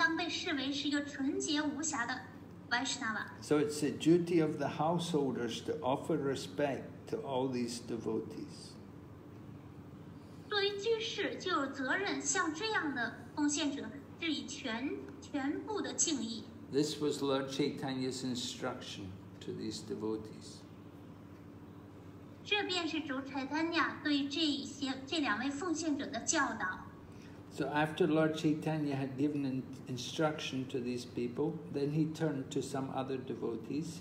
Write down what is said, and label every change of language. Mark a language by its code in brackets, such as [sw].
[zh] 表面上看他可能视为出席的奉献者，但是他仍然应当被视为是一个纯洁无瑕的 [en] So it's a duty of the householders to offer respect to all these devotees. [zh] 作为居士就有责任向这样的奉献者致以全部的敬意。 [en] This was Lord Chaitanya's instruction to these devotees. [zh] 这便是主Chaitanya对这两位奉献者的教导。 [en] So after Lord Chaitanya had given instruction to these people, then he turned to some other devotees.